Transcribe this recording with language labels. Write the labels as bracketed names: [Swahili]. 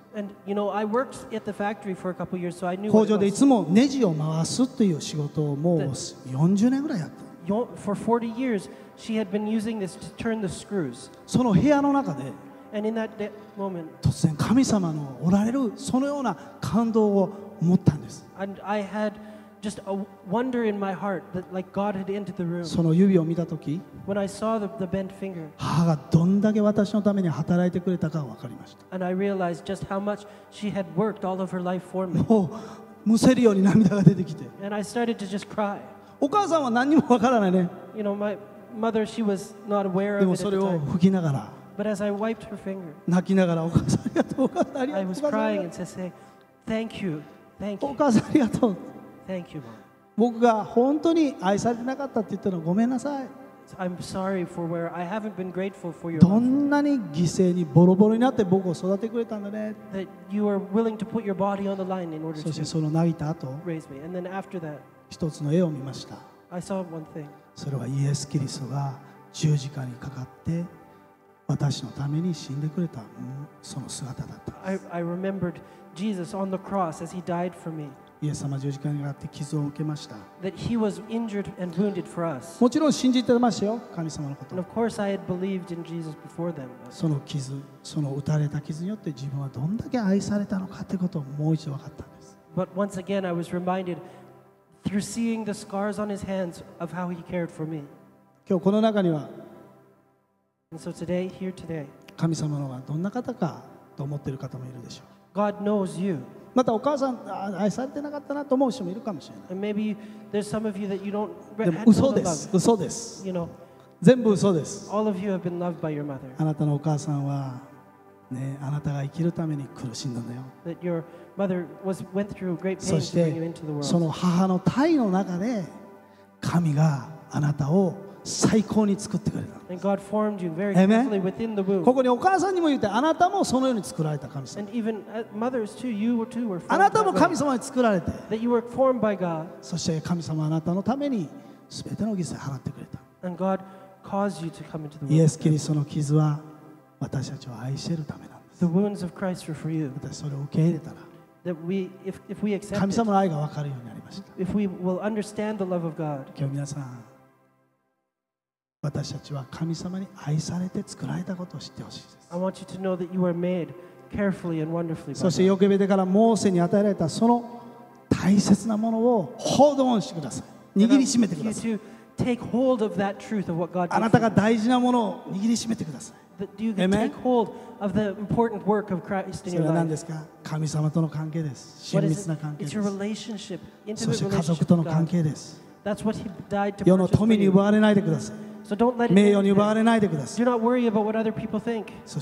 [English] And you know, I worked at the factory for a couple years, so I knew. [Japanese] 工場でいつもネジを回すという仕事をもう40年ぐらいやった。 [English] For 40 years, she had been using this to turn the screws. [Japanese] その部屋の中で、 [English] And in that moment, [Japanese] 突然神様のおられるそのような感動を持ったんです。 [English] And I had just a wonder in my heart that like God had entered the room. [Japanese] その指を見た時、 [English] When I saw the bent finger, [Japanese] 母がどんだけ私のために働いてくれたか分かりました。 [English] And I realized just how much she had worked all of her life for me. [Japanese] もうむせるように涙が出てきて。 [English] And I started to just cry. [Japanese] お母さんは何にも分からないね。 [English] You know, my mother, she was not aware of it. [Japanese] でもそれを拭きながら。 [English] But as I wiped her finger, [Japanese] 泣きながらお母さんありがとう、お母さんありがとう、お母さんありがとう。 [English] I was crying and said, "Thank you, thank you." [Japanese] お母さんありがとう。 [English] Thank you, mom. [Japanese] 僕が本当に愛されてなかったって言ったのごめんなさい。 [English] I'm sorry for where I haven't been grateful for your [Japanese] どんなに犠牲にボロボロになって僕を育ててくれたんだね。 [English] That you are willing to put your body on the line in order to raise me. [Japanese] そしてその泣いた後、 [English] raise me. And then after that, [Japanese] 一つの絵を見ました。 [English] I saw one thing. [Japanese] それはイエス・キリストが十字架にかかって私のために死んでくれたその姿だったんです。 [English] I remembered Jesus on the cross as he died for me. [Japanese] イエス様十字架にあって傷を受けました。 [English] That he was injured and wounded for us. [Japanese] もちろん信じてましたよ、神様のこと。 [English] And of course I had believed in Jesus before then. [Japanese] その傷、その打たれた傷によって自分はどんだけ愛されたのかということをもう一度分かったんです。 [English] But once again I was reminded through seeing the scars on his hands of how he cared for me. [Japanese] 今日この中には、 [English] And so today, here today, [Japanese] 神様のがどんな方かと思っている方もいるでしょう。 [English] God knows you. [Japanese] またお母さん愛されてなかったなと思う人もいるかもしれない。 [English] Maybe there's some of you that you don't [Japanese] でも嘘です。嘘です。 [English] You know, [Japanese] 全部嘘です。 [English] All of you have been loved by your mother. [Japanese] あなたのお母さんは、ね、あなたが生きるために苦しんだんだよ。 [English] That your mother went through great pain to bring you into the world. [Japanese] その母の胎の中で神があなたを最高に作ってくれた。 [English] And God formed you very carefully within the womb. [Japanese] ここにお母さんにも言って、あなたもそのように作られた神様。 [English] And even mothers too, you too were formed. [Japanese] あなたも神様に作られて。 [English] That you were formed by God. [Japanese] そして神様はあなたのためにすべての犠牲を払ってくれた。 [English] And God caused you to come into the world. [Japanese] イエス・キリストの傷は私たちを愛しているためなんです。 [English] The wounds of Christ were for you. [Japanese] 私それを受け入れたら。 [English] That we, if we accept. [Japanese] 神様の愛がわかるようになりました。 [English] If we will understand the love of God. [Japanese] 今日皆さん。私たちは神様に愛されて作られたことを知ってほしいです。 [English] I want you to know that you are made carefully and wonderfully. [Japanese] そしてヨケベテからモーセに与えられたその大切なものを [English] hold on [Japanese] してください。握りしめてください。 [English] You to take hold of that truth of what God. [Japanese] あなたが大事なものを握りしめてください。 [English] Do you take hold of the important work of Christ in your life? What is it? It's your relationship, intimate relationship with God. That's what he died to purchase for you. So don't let it be. Do not worry about what other people think.